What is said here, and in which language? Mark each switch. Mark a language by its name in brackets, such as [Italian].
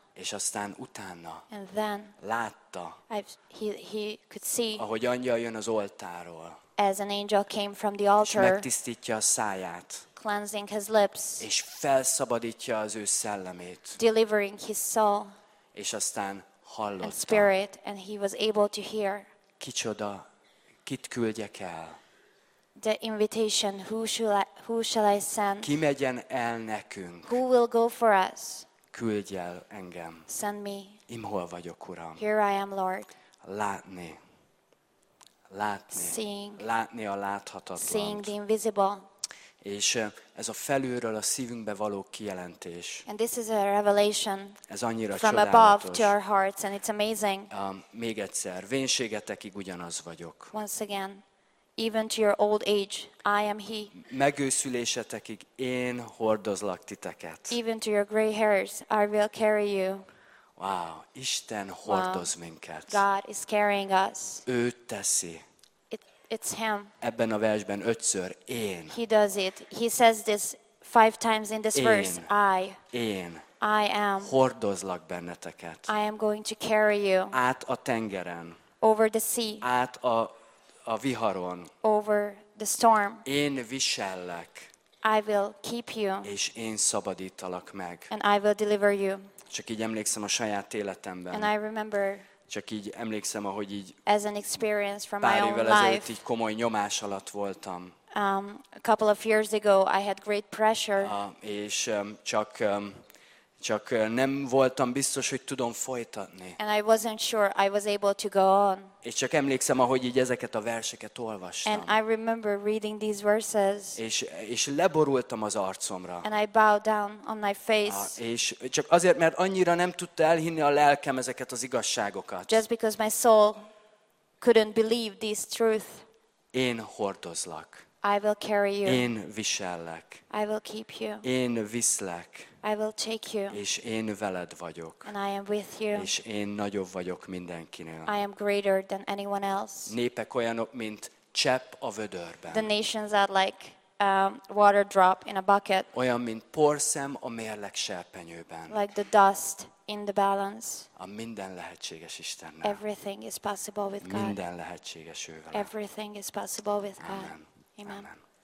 [Hungarian] És aztán utána [English] and then [Hungarian] látta, [English] he could see, [Hungarian] ahogy angyal jön az oltáról, [English] as an angel came from the altar, [Hungarian] és megtisztítja a száját, [English] cleansing his lips, [Hungarian] és felszabadítja az ő szellemét, [English] delivering his soul, [Hungarian] és aztán hallotta, [English] and spirit, and he was able to hear, [Hungarian] kicsoda, kit küldjek el, [English] the invitation, who shall I send, [Hungarian] ki megyen el nekünk, [English] who will go for us, [Hungarian] küldj el engem. [English] Send me. [Hungarian] Imhol vagyok, Uram. [English] Here I am, Lord. [Hungarian] Látni. Látni. [English] Seeing. [Hungarian] Látni a láthatatlant. [English] Seeing the invisible. [Hungarian] És ez a felülről a szívünkbe való kijelentés. [English] And this is a revelation. [Hungarian] Ez annyira [English] from [Hungarian] csodálatos. [English] From above to our hearts, and it's amazing. [Hungarian] Még egyszer, vénségetekig ugyanaz vagyok. [English] Once again. Even to your old age, I am he. [Hungarian] Megőszülésetekig én hordozlak titeket. [English] Even to your gray hairs, I will carry you. [Hungarian] Wow, Isten hordoz minket. [English] God is carrying us. [Hungarian] Ő teszi. [English] It's him. [Hungarian] Ebben a versben ötször én. [English] He does it. He says this 5 times in this [Hungarian] én. [English] Verse. I. [Hungarian] Én. [English] I am. [Hungarian] Hordozlak benneteket. [English] I am going to carry you. [Hungarian] Át a tengeren. [English] Over the sea. [Hungarian] Át a viharon. [English] Over the storm. [Hungarian] Én visellek. [English] I will keep you. [Hungarian] És én szabadítalak meg. [English] And I will deliver you. [Hungarian] Csak így emlékszem a saját életemben. [English] And I remember. [Hungarian] Csak így emlékszem, ahogy így. [English] As an experience from [Hungarian] pár [English] my [Hungarian] évvel [English] own life. [Hungarian] Így komoly nyomás alatt voltam. [English] A couple of years ago, I had great pressure. [Hungarian] És csak Csak nem voltam biztos, hogy tudom folytatni. [English] And I wasn't sure I was able to go on. [Hungarian] És csak emlékszem, ahogy így ezeket a verseket olvastam. [English] And I remember reading these verses. [Hungarian] És leborultam az arcomra. [English] And I bowed down on my face. [Hungarian] És csak azért, mert annyira nem tudta elhinni a lelkem ezeket az igazságokat. [English] Just because my soul couldn't believe this truth. [Hungarian] Én hordozlak. [English] I will carry you. [Hungarian] Én visellek. [English] I will keep you. [Hungarian] Én viszlek. [English] I will take you. [Hungarian] És én veled vagyok. [English] And I am with you. [Hungarian] És én nagyobb vagyok mindenkinél. [English] I am greater than anyone else. [Hungarian] Népek olyanok, mint csepp a vödörben. [English] The nations are like a water drop in a bucket. [Hungarian] Olyan, mint porszem a mérleg serpenyőben. [English] Like the dust in the balance. [Hungarian] A minden lehetséges Istennel. [English] Everything is possible with God. [Hungarian] Minden lehetséges ő vele. [English] Everything is possible with God. Amen. Amen. Amen.